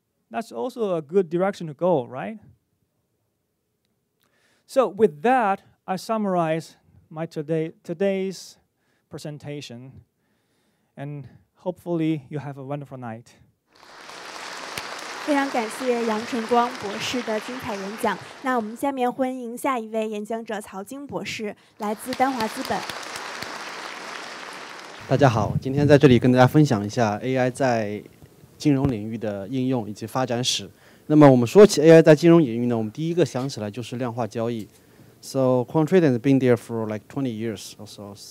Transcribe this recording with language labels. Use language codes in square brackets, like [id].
[en] That's also a good direction to go, right? So with that, I summarize my today's presentation, and hopefully you have a wonderful night. [zh] 非常感谢杨晨光博士的精彩演讲。那我们下面欢迎下一位演讲者曹晶博士，来自丹华资本。大家好，今天在这里跟大家分享一下 AI 在金融领域的应用以及发展史。那么我们说起 AI 在金融领域呢，我们第一个想起来就是量化交易。 [en] So quant trading has been there for like 20 years or so.